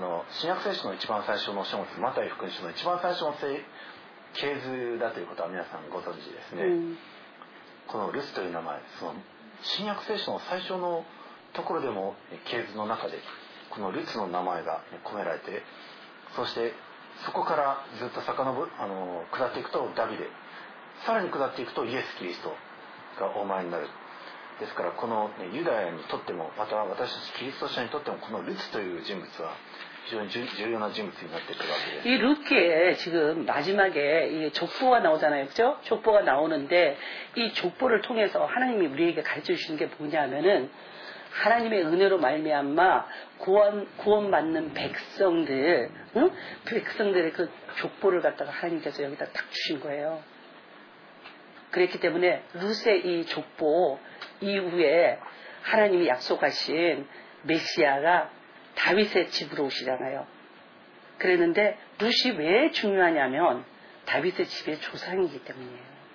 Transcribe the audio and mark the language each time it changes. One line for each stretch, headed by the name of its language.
Japanese: 新約聖書の一番最初の書物、マタイ福音書の一番最初の系図だということは皆さんご存知ですね、うん、このルツという名前、その新約聖書の最初のところでも系図の中でこのルツの名前が込められて、そしてそこからずっと下っていくとダビデ、さらに下っていくとイエス・キリストがお前になる。ですからこのユダヤにとっても、また私たちキリスト者にとっても、このルツという人物は非常に重要な人物になってくるわけです。
Korean: 이 루키에 지금 마지막에 이 족보가 나오잖아요. 그죠? 족보가 나오는데 이 족보를 통해서 하나님이 우리에게 가르쳐주시는 게 뭐냐면은 하나님의 은혜로 말미암아 구원받는 백성들, 응? 백성들의 그 족보를 갖다가 하나님께서 여기다 딱 주신 거예요. 그랬기 때문에 루스의 이 족보 이후에 하나님이 약속하신 메시아가다윗의집으로오시잖아요그랬는데룻이왜중요하냐면다윗의집의조상이기때문이에요